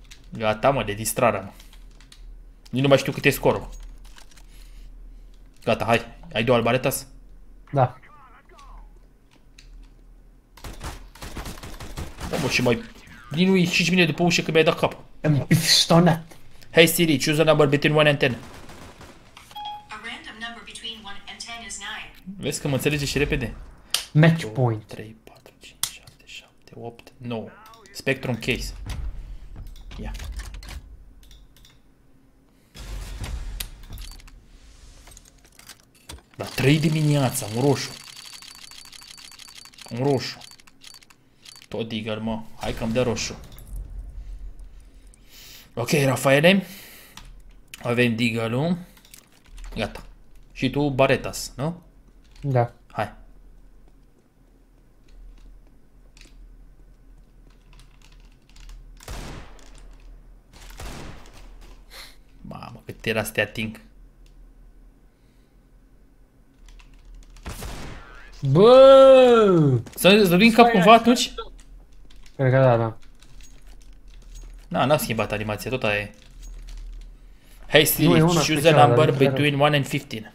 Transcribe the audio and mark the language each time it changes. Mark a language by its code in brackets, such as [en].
[ro] Gata, mă, de distrare, mă. Nici nu mai știu cât e scorul. Gata, hai. Ai dual Barretas? Da. Da, mă, și mai... Nici nu e 5 minute după ușă că mi-ai dat cap. Am pistonat. [en] Hey Siri, choose a number between 1 and 10. A random number between 1 and 10 is 9. [ro] Vezi că mă înțelege și repede. Match point. 2, 3, 4, 5, 6, 7, 8, 9. Spectrum case. Ia. Yeah. La 3 dimineața, un roșu. Un roșu. Tot digger, mă. Hai că-mi dă roșu. Ok, Rafaele, avem digalul, gata. Și tu Barretas, nu? Da. Hai. Mamă, cât era să te ating. Bă! Să vin cap cumva atunci? Cred că da, da. Na, n-am schimbat animația, tot aia e. [en] Hey Siri, choose the number between 1 and 15.